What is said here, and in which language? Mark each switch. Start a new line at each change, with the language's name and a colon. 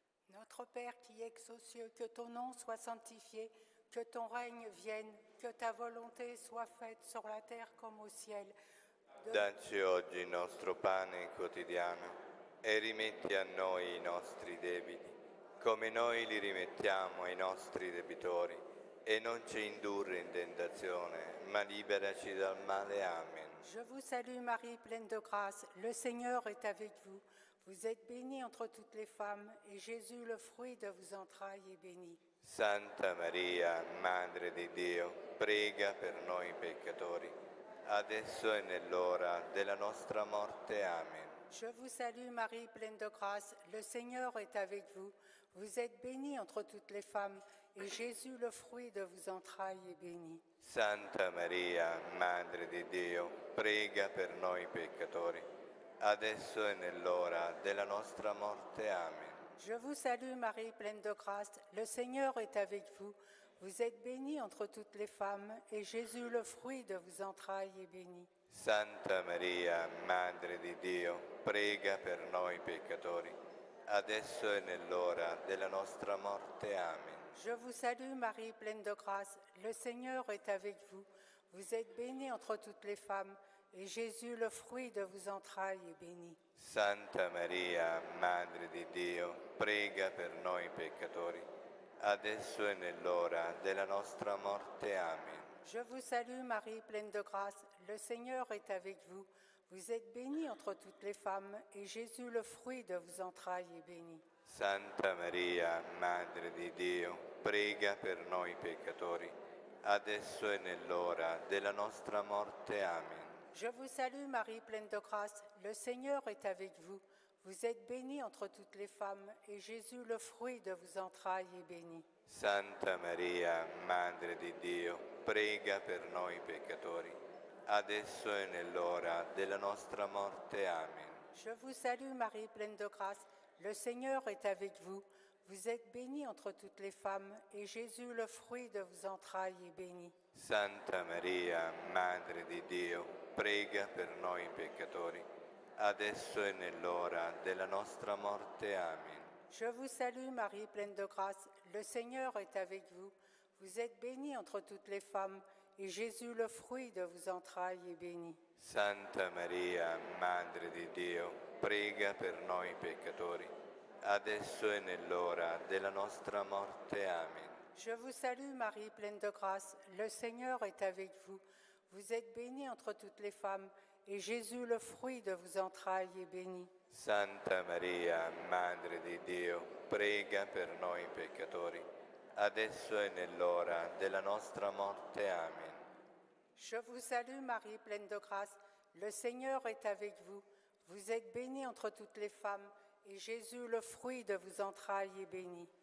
French: Notre Père qui es aux cieux, que ton nom soit sanctifié, que ton règne vienne, que ta volonté soit faite sur la terre comme au ciel.
Italian: Dacci oggi il nostro pane quotidiano e rimetti a noi i nostri debiti, come noi li rimettiamo ai nostri debitori, e non ci indurre in tentazione, ma liberaci dal male. Amen.
French: Je vous salue Marie, pleine de grâce, le Seigneur est avec vous. Vous êtes bénie entre toutes les femmes, et Jésus, le fruit de vos entrailles, est béni.
Italian: Santa Maria, Madre di Dio, prega per noi peccatori, adesso è nell'ora della nostra morte. Amen.
French: Je vous salue Marie, pleine de grâce, le Seigneur est avec vous. Vous êtes bénie entre toutes les femmes, et Jésus, le fruit de vos entrailles, est béni.
Italian: Santa Maria, Madre di Dio, prega per noi peccatori, adesso è nell'ora della nostra morte. Amen.
French: Je vous salue Marie, pleine de grâce, le Seigneur est avec vous. Vous êtes bénie entre toutes les femmes, et Jésus, le fruit de vos entrailles, est béni.
Italian: Santa Maria, Madre di Dio, prega per noi peccatori, adesso è nell'ora della nostra morte. Amen.
French: Je vous salue Marie, pleine de grâce, le Seigneur est avec vous. Vous êtes bénie entre toutes les femmes, et Jésus, le fruit de vos entrailles, est béni.
Italian: Santa Maria, Madre di Dio, prega per noi peccatori, adesso è nell'ora della nostra morte. Amen.
French: Je vous salue Marie, pleine de grâce, le Seigneur est avec vous. Vous êtes bénie entre toutes les femmes, et Jésus, le fruit de vos entrailles, est béni.
Italian: Santa Maria, Madre di Dio, prega per noi peccatori, adesso è nell'ora della nostra morte. Amen.
French: Je vous salue Marie, pleine de grâce, le Seigneur est avec vous. Vous êtes bénie entre toutes les femmes, et Jésus, le fruit de vos entrailles, est béni.
Italian: Santa Maria, Madre di Dio, prega per noi peccatori, adesso è nell'ora della nostra morte. Amen.
French: Je vous salue Marie, pleine de grâce, le Seigneur est avec vous. Vous êtes bénie entre toutes les femmes, et Jésus, le fruit de vos entrailles, est béni.
Italian: Santa Maria, Madre di Dio, prega per noi peccatori, adesso è nell'ora della nostra morte. Amen.
French: Je vous salue Marie, pleine de grâce, le Seigneur est avec vous. Vous êtes bénie entre toutes les femmes, et Jésus, le fruit de vos entrailles, est béni.
Italian: Santa Maria, Madre di Dio, prega per noi peccatori, adesso è nell'ora della nostra morte. Amen.
French: Je vous salue Marie, pleine de grâce, le Seigneur est avec vous. Vous êtes bénie entre toutes les femmes, et Jésus, le fruit de vos entrailles, est béni.
Italian: Santa Maria, Madre di Dio, prega per noi peccatori, adesso è nell'ora della nostra morte. Amen.
French: Je vous salue, Marie, pleine de grâce, le Seigneur est avec vous. Vous êtes bénie entre toutes les femmes, et Jésus, le fruit de vos entrailles, est béni.